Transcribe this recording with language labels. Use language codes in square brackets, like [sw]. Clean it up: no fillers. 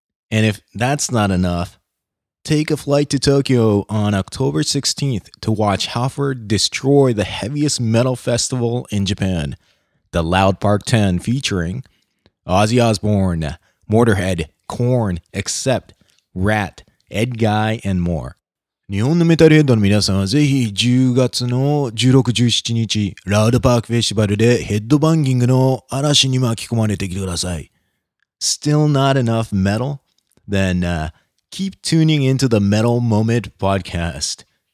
[en] And if that's not enough, take a flight to Tokyo on October 16th to watch Halford destroy the heaviest metal festival in Japan, the Loud Park 10, featuring Ozzy Osbourne, Mortarhead, Korn, Accept, Rat, Ed Guy, and more. [ja] 日本のメタルヘッドの皆さんはぜひ10月の16、17日、ラウドパークフェスティバルでヘッドバンギングの嵐に巻き込まれてきてください。 [en] Still not enough metal? Then, keep tuning into the Metal Moment podcast.